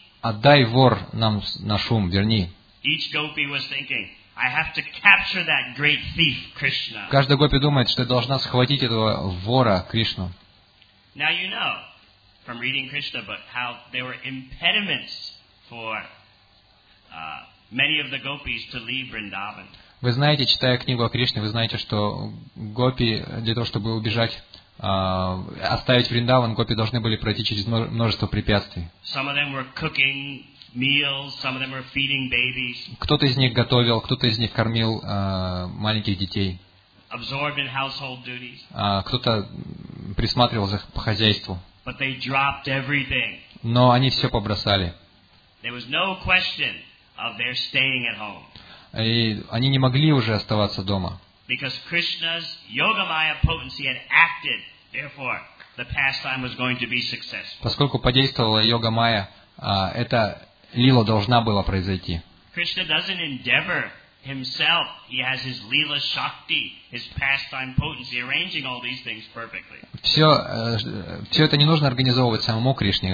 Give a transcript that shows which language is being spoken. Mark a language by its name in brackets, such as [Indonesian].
[Russian] Отдай, вор, нам наш ум, верни. [English] Each gopi was thinking, I have to capture that great thief, Krishna. [Russian] Каждая гопи думает, что должна схватить этого вора, Кришну. [English] Now you know from reading Krishna, but how there were impediments for many of the gopis to leave Vrindavan. [Russian] Вы знаете, читая книгу о Кришне, вы знаете, что гопи для того, чтобы убежать, оставить Вриндаван, гопи должны были пройти через множество препятствий. [English] Some of them were cooking meals, some of them were feeding babies. [Russian] Кто-то из них готовил, кто-то из них кормил маленьких детей. [English] Absorbed in household duties. [Russian] Кто-то присматривал за по хозяйству. [English] But they dropped everything. [Russian] Но они все побросали. [English] There was no question of their staying at home. [Russian] И они не могли уже оставаться дома. [English] Because Krishna's yogamaya potency had acted, therefore the pastime was going to be successful. [Russian] Поскольку подействовала йога-майя, эта лила должна была произойти. [English] Krishna doesn't endeavor himself. He has his lila shakti, his pastime potency, arranging all these things perfectly. [Russian] Все это не нужно организовывать самому Кришне.